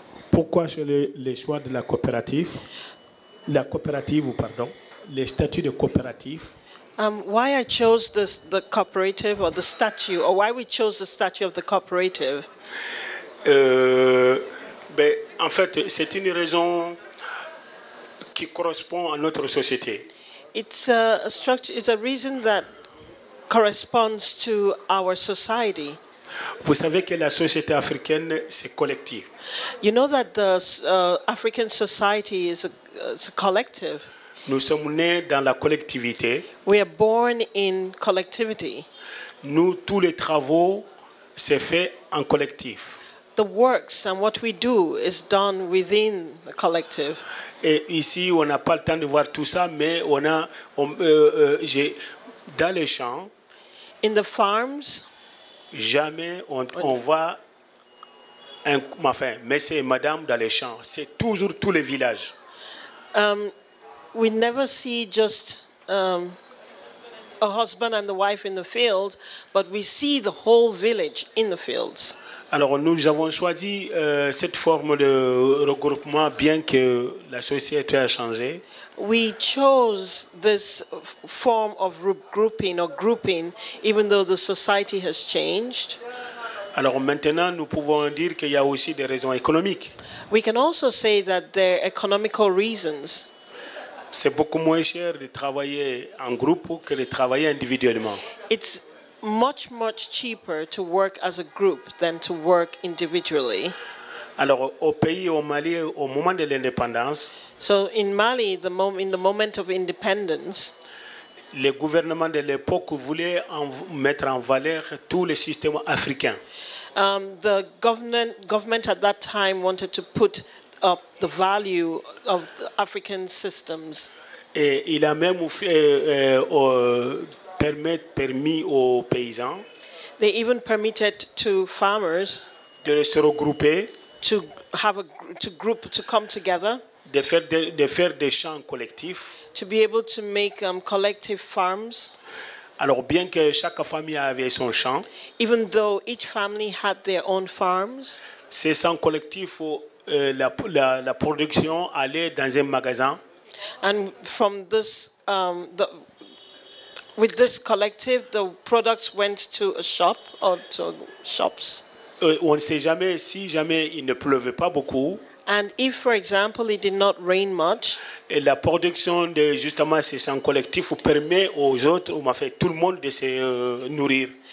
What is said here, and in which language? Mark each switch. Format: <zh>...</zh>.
<fr>Pourquoi sur les choix de la coopérative? La coopérative, pardon, les statuts de coopérative.</fr> <en>Why I chose this, the cooperative or the statue, or why we chose the statue of the cooperative?</en> <fr>En fait, c'est une raison qui correspond à notre société.</fr> <en>It's a structure. It's a reason that corresponds to our society.</en> <fr>Vous savez que la société africaine c'est collectif.</fr> <en>You know that the African society is a collective.</en> <fr>Nous sommes nés dans la collectivité.</fr> <en>We are born in collectivity.</en> <fr>Nous tous les travaux c'est fait en collectif.</fr> <en>The works and what we do is done within the collective.</en> <fr>Et ici on n'a pas le temps de voir tout ça, mais on a j'ai dans les champs.</fr> <en>In the farms.</en> <fr>Jamais on voit un, enfin, mais c'est madame dans les champs. C'est toujours tous les villages.</fr> <en>We never see just a husband and the wife in the field, but we see the whole village in the fields.</en> <fr>Alors nous avons choisi cette forme de regroupement bien que la société a changé.</fr> <en>We chose this form of regrouping or grouping even though the society has changed.</en> <fr>Alors maintenant nous pouvons dire qu'il y a aussi des raisons économiques.</fr> <en>We can also say that there are economical reasons.</en> <fr>C'est beaucoup moins cher de travailler en groupe que de travailler individuellement.</fr> <en>It's much, much cheaper to work as a group than to work individually.</en> <fr>Alors, au pays, au Mali, au moment de l'indépendance,</fr> <en>so in Mali, in the moment of independence,</en> <fr>les gouvernements de l'époque voulaient mettre en valeur tous les systèmes africains.</fr> <en>The government at that time wanted to put up the value of the African systems.</en> <fr>Et il a même fait permis aux paysans.</fr> <en>They even permitted to farmers</en> <fr>de se regrouper,</fr> <en>to come together,</en> <fr>de faire des champs collectifs,</fr> <en>to be able to make collective farms.</en> <fr>Alors bien que chaque famille avait son champ,</fr> <en>even though each family had their own farms,</en> <fr>ces champs collectifs où la production allait dans un magasin.</fr> <en>And from this with this collective, the products went to a shop or to shops.</en> <fr>On ne sait jamais si jamais il ne pleuvait pas beaucoup.</fr> <en>And if, for example, it did not rain much.</en> <fr>Et la production de justement ces champs collectifs permet aux autres, ou en fait tout le monde, de se nourrir.</fr>